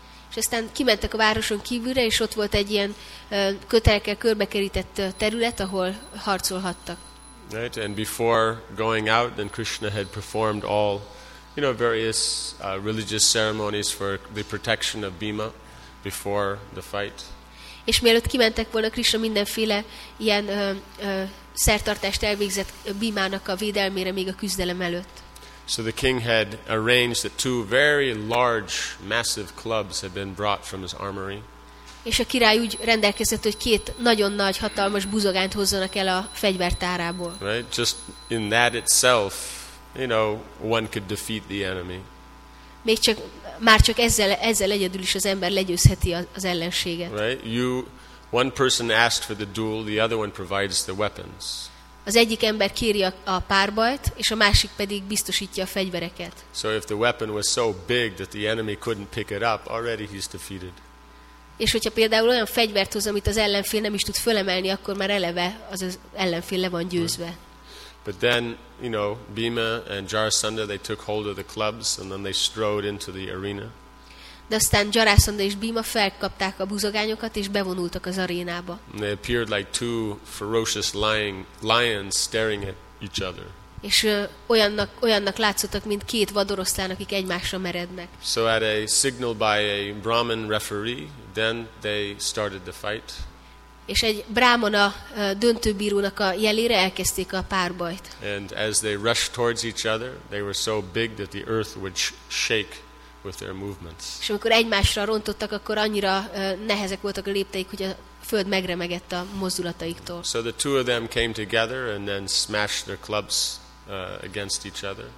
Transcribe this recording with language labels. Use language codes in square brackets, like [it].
[hu] És aztán kimentek a városon kívülre, és ott volt egy ilyen kötelekkel körbekerített terület, ahol harcolhattak. [en] Right, and before going out, then Krishna had performed all, you know, various religious ceremonies for the protection of Bhima before the fight. [hu] És mielőtt kimentek volna, Krishna mindenféle ilyen szertartást elvégzett Bhimának a védelmére még a küzdelem előtt. [en] So the king had arranged that two very large, massive clubs had been brought from his armory. [hu] És a király úgy rendelkezett, hogy két nagyon nagy, hatalmas buzogányt hozzanak el a fegyvertárából. [en] Right, just in that itself, you know, one could defeat the enemy. [hu] Már csak ezzel egyedül is az ember legyőzheti az ellenséget. [en] Right, one person asked for the duel, the other one provides the weapons. [hu] Az egyik ember kéri a párbajt, és a másik pedig biztosítja a fegyvereket. [en] So if the weapon was so big that the enemy couldn't pick it up, already he's defeated. [hu] És hogyha például olyan fegyvert hoz, amit az ellenfél nem is tud fölemelni, akkor már eleve az ellenfél le van győzve. [en] But then, you know, Bhima and Jarasandha, they took hold of the clubs, and then they strode into the arena. [hu] De aztán Jarasandha és Bhima felkapták a buzogányokat, és bevonultak az arénába. [en] And they appeared like two ferocious lions staring at each other. [hu] És olyannak látszottak, mint két vadoroszlán, akik egymásra merednek. [en] So at a signal by a Brahmin referee, then they started the fight. [hu] És egy brámana döntőbírónak a jelére elkezdték a párbajt. [en] And as they rushed towards each other, they were so big that the earth would shake with their movements. [hu] És amikor egymásra rontottak, akkor annyira nehezek voltak a lépteik, hogy a föld megremegett a mozdulataiktól. [en] So the two of them came together and then smashed their clubs against each other.